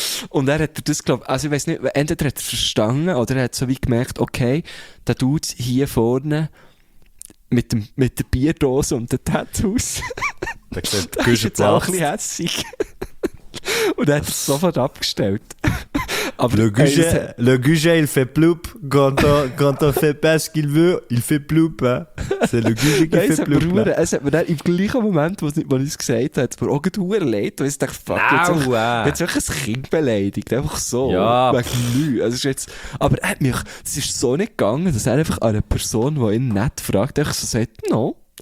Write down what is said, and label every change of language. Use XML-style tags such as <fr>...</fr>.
<de>Und er hat das glaubt, also ich weiß nicht, entweder hat er verstanden oder er hat so wie gemerkt, okay, der Dude hier vorne, mit der Bierdose und den Tattoos. Der ist jetzt auch ein bisschen hässig. Und er hat es sofort abgestellt.</de> <fr>Aber le Guget, il fait ploup. Quand on fait pas ce qu'il veut, il fait ploup. Hein? C'est le Guget qui fait ploup.</fr> <de>Mir, es hat mir dann im gleichen Moment, wo er uns gesagt hat, mir auch gleich sehr leid, weil ich dachte, fuck, jetzt wirklich ein Kind beleidigt. Einfach so. Ja. Wegen also ist jetzt, aber hat mich, es ist so nicht gegangen, dass er einfach eine Person, die ihn nett fragt, einfach so sagt, no.</de>